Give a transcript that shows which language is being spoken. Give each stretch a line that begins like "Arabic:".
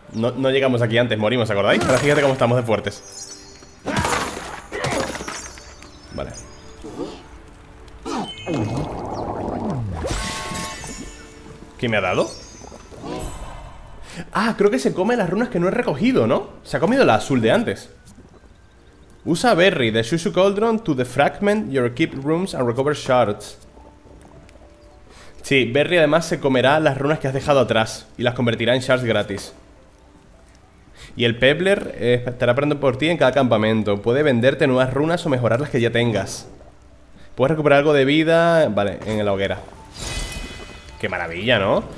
Spanish: No, no llegamos aquí antes, morimos, ¿acordáis? Ahora fíjate cómo estamos de fuertes. Vale. ¿Qué me ha dado? Ah, creo que se come las runas que no he recogido, ¿no? Se ha comido la azul de antes.
English: Usa Berry, the Shushu Cauldron to defragment your keep rooms and recover shards.
Spanish: Sí, Berry además se comerá las runas que has dejado atrás y las convertirá en shards gratis. Y el Pebbler estará aprendiendo por ti en cada campamento. Puede venderte nuevas runas o mejorar las que ya tengas. Puedes recuperar algo de vida. Vale, en la hoguera. Qué maravilla, ¿no?